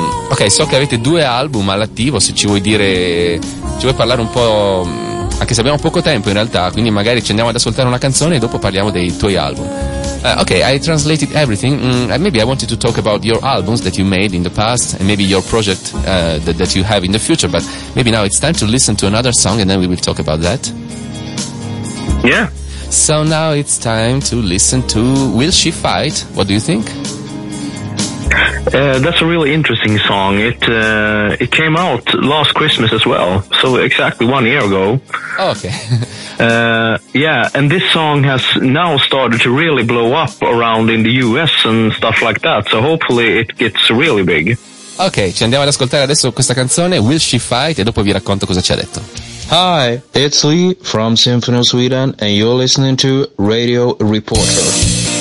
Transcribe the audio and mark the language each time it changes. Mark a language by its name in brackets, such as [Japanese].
[Italian] Ok, so che avete due album all'attivo, se ci vuoi dire, ci vuoi parlare un po', anche se abbiamo poco tempo in realtà, quindi magari ci andiamo ad ascoltare una canzone e dopo parliamo dei tuoi album. [English] Okay, I translated everything. Maybe I wanted to talk about your albums that you made in the past, and maybe your project that you have in the future, but maybe now it's time to listen to another song and then we will talk about that. Yeah. So now it's time to listen to Will She Fight? What do you think? That's a really interesting song. It came out last Christmas as well, so exactly 1 year ago. Oh, okay. Yeah, and this song has now started to really blow up around in the US and stuff like that, so hopefully it gets really big. [Italian] Okay, ci andiamo ad ascoltare adesso questa canzone, Will She Fight, e dopo vi racconto cosa ci ha detto. [English] Hi, it's Lee from Symphony of Sweden, and you're listening to Radio Reporter.